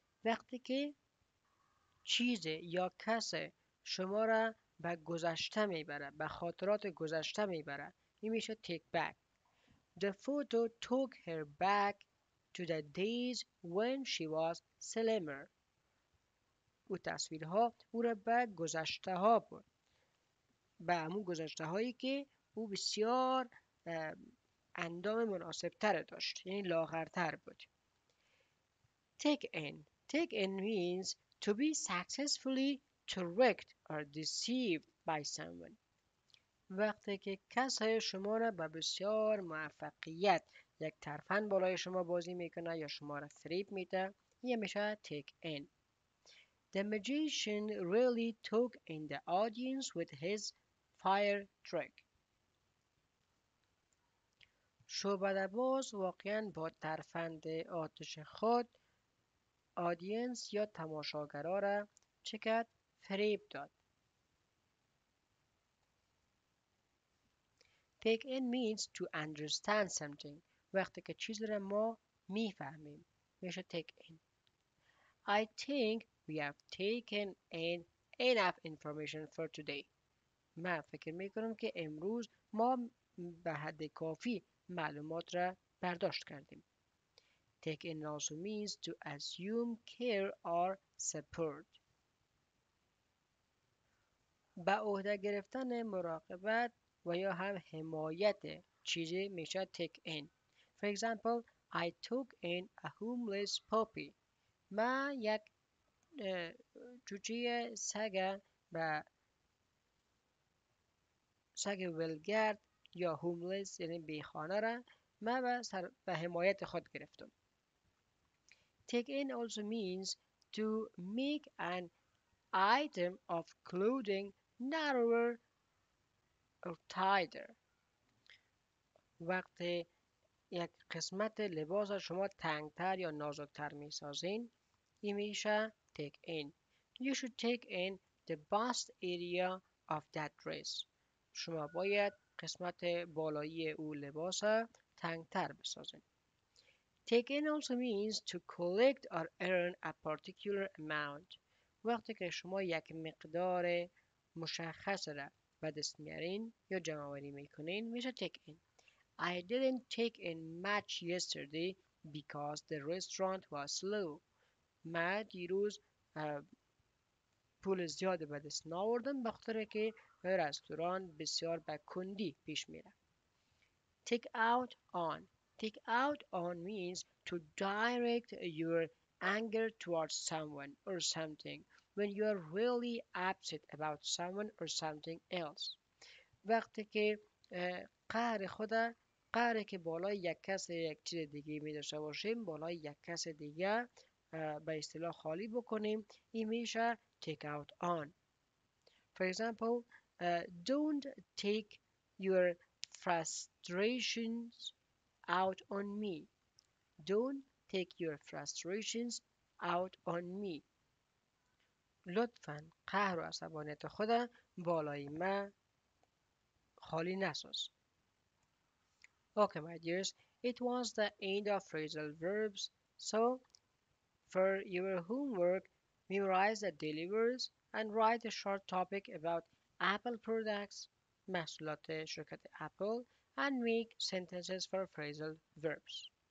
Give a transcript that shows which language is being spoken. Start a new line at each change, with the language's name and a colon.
Persian: وقتی که چیز یا کسی شما را به گذشته میبره، به خاطرات گذشته میبره، این میشه take back.
English: The photo took her back to the days when she was slimmer.
Persian: او تصویرها او را به گذشته ها برد. به همون گذشته هایی که او بسیار اندام مناسب تر داشت، یعنی لاغرتر بود.
English: Take in means to be successfully tricked or deceived by someone.
Persian: وقتی که کسی شما را به بسیار موفقیت یک ترفند بالای شما بازی میکنه یا شما را فریب میده، یه میشه take in.
English: The magician really took in the audience with his fire trick.
Persian: شعبده باز واقعا با ترفند آتش خود آدینس یا تماشاگرها را چکت فریب داد.
English: Take in means to understand something.
Persian: وقتی که چیز را ما میفهمیم میشه take in.
English: I think we have taken in enough information for today.
Persian: من فکر میکنم که امروز ما به حد کافی معلومات را برداشت کردیم.
English: Take in also means to assume care or support.
Persian: به عهده گرفتن مراقبت و یا هم حمایت چیزی میشه take in.
English: For example, I took in a homeless puppy.
Persian: من یک جوجه سگ به سگ ولگرد یا هوملس یعنی بیخانه را من به حمایت خود گرفتم.
English: Take in also means to make an item of clothing narrower or tighter.
Persian: وقتی یک قسمت لباس شما تنگتر یا نازکتر می سازین این میشه take in.
English: You should take in the bust area of that dress.
Persian: شما باید قسمت بالایی او لباس تنگتر بسازین.
English: Take in also means to collect or earn a particular amount.
Persian: وقتی که شما یک مقدار مشخص را به دست میارین یا جمع آوری میکنین میشه take in.
English: I didn't take in Matt yesterday because the restaurant was slow.
Persian: Matt دیروز پول زیاد به دست ناوردن بخاطر که رستوران بسیار به کندی پیش میره.
English: Take out on means to direct your anger towards someone or something when you are really upset about someone or something else.
Persian: وقتی که قهر خود قهری که بالای یک کس یک چیز دیگه می داشته باشیم بالای یک کس دیگه به اصطلاح خالی بکنیم این میشه take out on.
English: For example, don't take your frustrations out on me. Don't take your frustrations out on me.
Persian: لطفاً قهر و عصبانیت خود بالای ما خالی نساز.
English: Okay, my dears, it was the end of phrasal verbs. So, for your homework, memorize the daily words and write a short topic about Apple products,
Persian: محصولات شرکت اپل,
English: and make sentences for phrasal verbs.